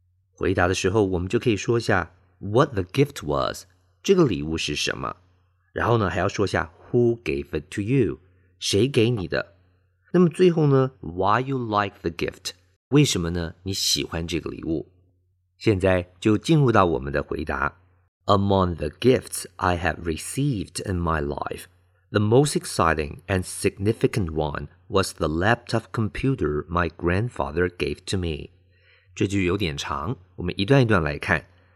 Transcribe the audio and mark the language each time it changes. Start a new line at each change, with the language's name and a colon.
Chinese: 回答的时候我们就可以说一下
English: what the gift was,
Chinese: 这个礼物是什么。然后呢还要说一下
English: who gave it to you,
Chinese: 谁给你的。那么最后呢
English: why you like the gift?
Chinese: 为什么呢你喜欢这个礼物。现在就进入到我们的回答。
English: Among the gifts I have received in my life, the most exciting and significant one was the laptop computer my grandfather gave to me.
Chinese: 这句有点长我们一段一段来看。